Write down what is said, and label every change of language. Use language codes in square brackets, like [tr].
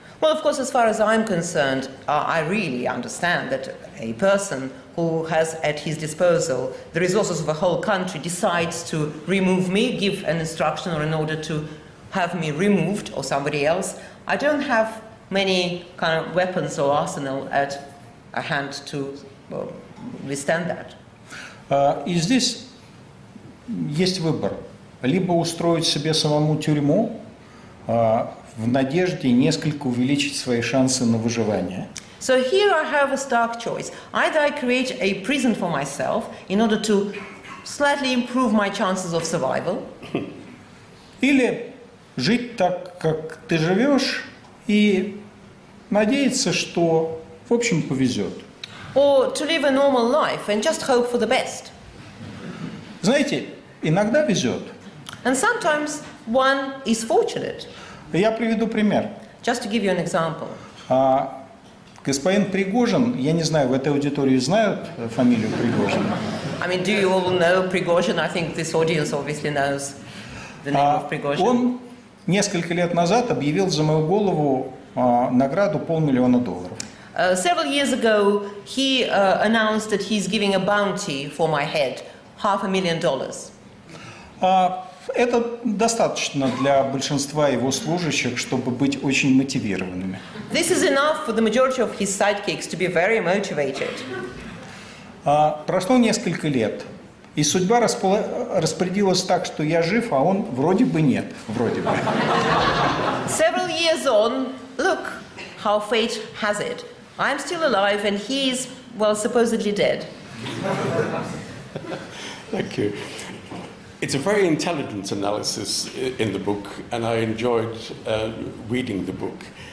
[en] Well, of course, as far as I'm concerned, I really understand that a person who has at his disposal the resources of a whole country decides to remove me, give an instruction or an order to have me removed or somebody else. I don't have many kind of weapons or arsenal at a hand to withstand that. Is this [ru] есть выбор? Либо устроить себе самому тюрьму в надежде несколько увеличить свои шансы на выживание. [en] So here I have a stark choice. Either I create a prison for myself in order to slightly improve my chances of survival. [ru] Или жить так, как ты живешь, и надеяться, что, в общем, повезет. [en] Or to live a normal life and just hope for the best. [ru] Знаете, иногда везет. [en] And sometimes one is fortunate. [ru] Я приведу пример. [en] Just to give you an example. [ru] Господин Пригожин, я не знаю, в этой аудитории знают фамилию Пригожин? [en] I mean, do you all know Пригожин? I think this audience obviously knows the name of Пригожин. [ru] Он несколько лет назад объявил за мою голову награду $500,000. [en] Several years ago, he announced that he's giving a bounty for my head, $500,000. [ru] Это достаточно для большинства его служащих, чтобы быть очень мотивированными. [en] This is enough for the majority of his sidekicks to be very motivated. [ru] Прошло несколько лет, и судьба распорядилась так, что я жив, а он вроде бы нет, вроде бы. [en] Several years on, look how fate has it. I'm still alive, and he is, well, supposedly dead. Thank you. It's a very intelligent analysis in the book, and I enjoyed reading the book.